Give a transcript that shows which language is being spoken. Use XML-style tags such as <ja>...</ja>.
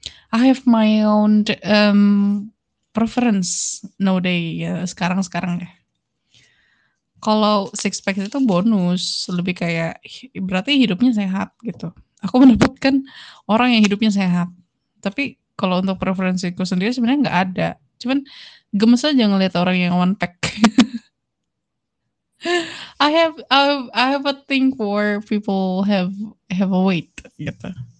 <en>I have my own preference nowadays.</en> <id>Ya, sekarang-sekarang ya. Kalau six pack itu bonus, lebih kayak berarti hidupnya sehat gitu. Aku mendapatkan orang yang hidupnya sehat. Tapi kalau untuk preferensiku sendiri sebenarnya nggak ada. Cuman gemes aja ngeliat orang yang one pack.</id> <en>I have a thing for people have a weight gitu.</en>